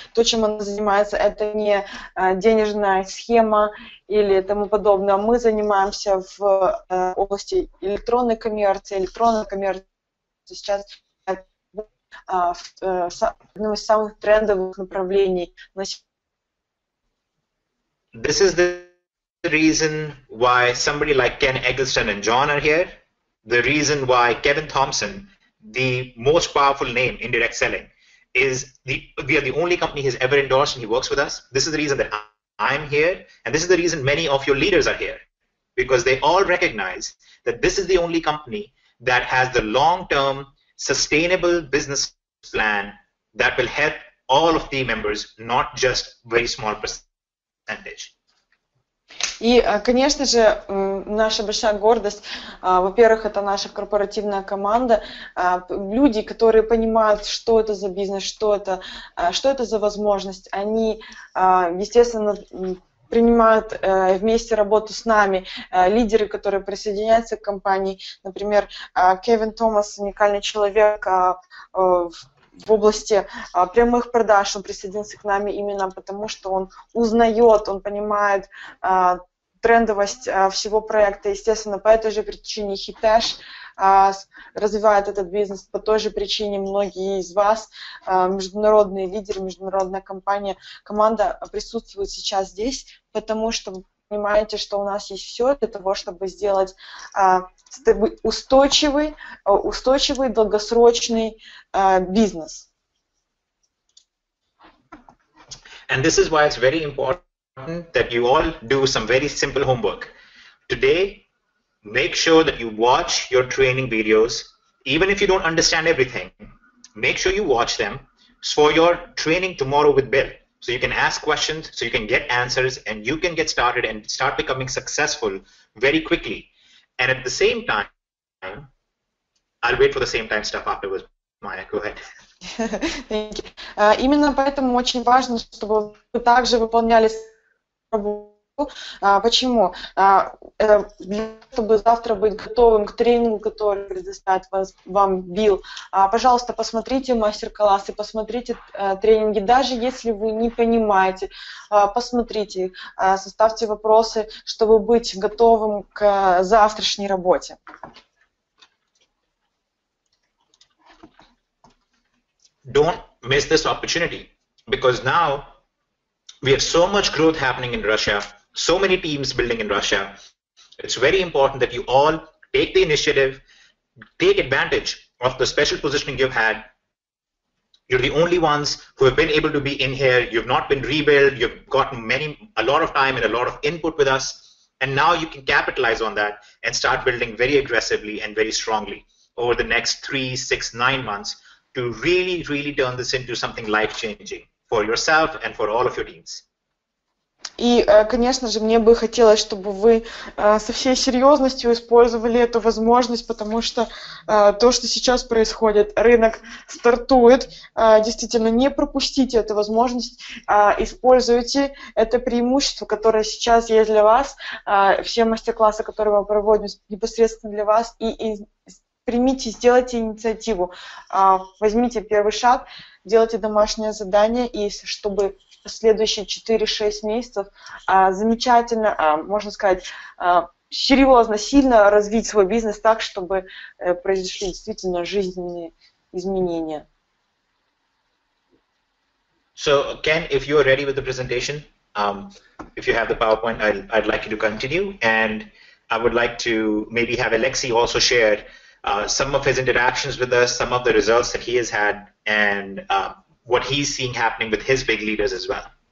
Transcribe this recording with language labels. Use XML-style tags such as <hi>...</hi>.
<ru>То, чем она занимается, это не денежная схема или тому подобное. Мы занимаемся в области электронной коммерции сейчас. Одним из самых трендовых направлений.</ru> <en>This is the reason why somebody like Ken Eggleston and John are here. The reason why Kevin Thompson, the most powerful name in direct selling, we are the only company he's ever endorsed and he works with us. This is the reason that I'm here, and this is the reason many of your leaders are here, because they all recognize that this is the only company that has the long-term sustainable business plan that will help all of the members, not just very small percentage. И, конечно же, наша большая гордость, во-первых, это наша корпоративная команда, люди, которые понимают, что это за бизнес, что это за возможность, они, естественно, принимают вместе работу с нами, лидеры, которые присоединяются к компании, например, Кевин Томас, уникальный человек в области прямых продаж, он присоединился к нам именно потому, что он узнает, он понимает трендовость всего проекта. Естественно, по этой же причине Hitesh развивает этот бизнес, по той же причине многие из вас, международные лидеры, международная компания, команда присутствует сейчас здесь, потому что вы понимаете, что у нас есть все для того, чтобы сделать устойчивый долгосрочный бизнес. And this is why it's very important that you all do some very simple homework. Today, make sure that you watch your training videos, even if you don't understand everything. Make sure you watch them for your training tomorrow with Bill, so you can ask questions, so you can get answers, and you can get started and start becoming successful very quickly. And at the same time, I'll wait for the same time stuff afterwards. Maya, go ahead. Thank you.</en> <ru>Именно поэтому очень важно, чтобы вы также выполняли работу. Почему? Для того, чтобы завтра быть готовым к тренингу, который предоставит вам Билл, пожалуйста, посмотрите мастер-классы, посмотрите тренинги, даже если вы не понимаете, посмотрите, составьте вопросы, чтобы быть готовым к завтрашней работе.</ru> <en>Don't miss this opportunity, because now we have so much growth happening in Russia, so many teams building in Russia. It's very important that you all take the initiative, take advantage of the special positioning you've had. You're the only ones who have been able to be in here. You've not been rebuilt. You've gotten a lot of time and a lot of input with us, and now you can capitalize on that and start building very aggressively and very strongly over the next 3, 6, 9 months to really, really turn this into something life-changing for yourself and for all of your teams.</en> <ru>И, конечно же, мне бы хотелось, чтобы вы со всей серьезностью использовали эту возможность, потому что то, что сейчас происходит, рынок стартует, действительно, не пропустите эту возможность, используйте это преимущество, которое сейчас есть для вас, все мастер-классы, которые мы проводим непосредственно для вас, и примите, сделайте инициативу, возьмите первый шаг, делайте домашнее задание, и чтобы следующие 4-6 месяцев замечательно, можно сказать, серьезно, сильно развить свой бизнес так, чтобы произошли действительно жизненные изменения.</ru> <en>So, Ken, if you are ready with the presentation, if you have the PowerPoint, I'd like you to continue, and I would like to maybe have Alexei also share some of his interactions with us, some of the results that he has had, and what he's seeing happening with his big leaders as well.</en>